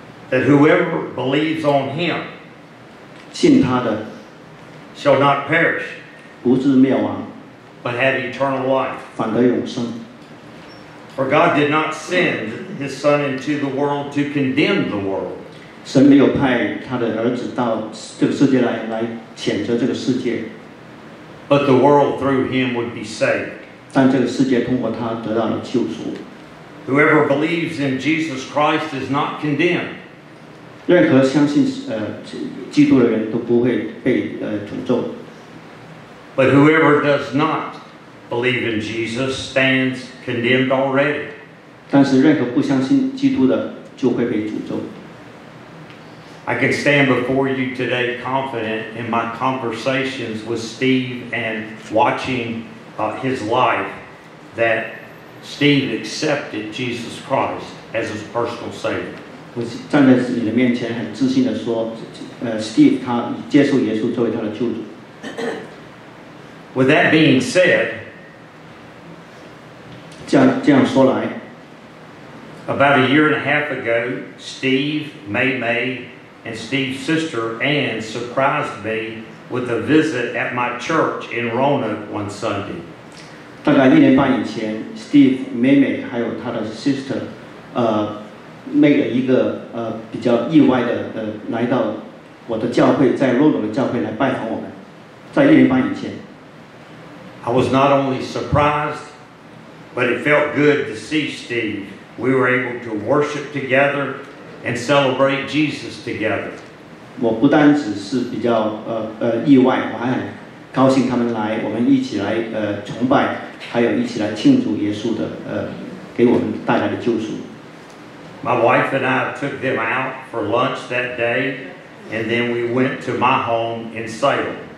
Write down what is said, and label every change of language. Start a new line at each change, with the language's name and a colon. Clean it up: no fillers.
English: that whoever believes on him,
Chinese: 信他的，
English: shall not perish,
Chinese: 不至灭亡。
English: But have eternal life.
Chinese: 反得永生。
English: For God did not send His Son into the world to condemn the world.
Chinese: 神没有派他的儿子到这个世界来谴责这个世界。
English: But the world through Him would be saved.
Chinese: 但这个世界通过他得到了救赎。
English: Whoever believes in Jesus Christ is not condemned.
Chinese: 任何相信基督的人都不会被诅咒。
English: But whoever does not believe in Jesus stands condemned already.
Chinese: 但是任何不相信基督的就会被诅咒。
English: I can stand before you today confident in my conversations with Steve and watching his life that Steve accepted Jesus Christ as his personal Savior.
Chinese: 我站在你的面前很自信地说, Steve 他接受耶稣作为他的救主。
English: With that being said,
Chinese: 这样说来,
English: about a year and a half ago, Steve, Mei Mei, and Steve's sister Ann surprised me with a visit at my church in Roanoke one Sunday.
Chinese: 大概一年半以前, Steve, Mei Mei, 还有他的sister, 那个一个比较意外的来到我的教会，在罗马的教会来拜访我们，在一年半以前。
English: I was not only surprised, but it felt good to see Steve. We were able to worship together and celebrate Jesus together.
Chinese: 我不单只是比较意外，我还很高兴他们来，我们一起来崇拜，还有一起来庆祝耶稣的给我们带来的救赎。
English: My wife and I took them out for lunch that day, and then we went to my home in Salem.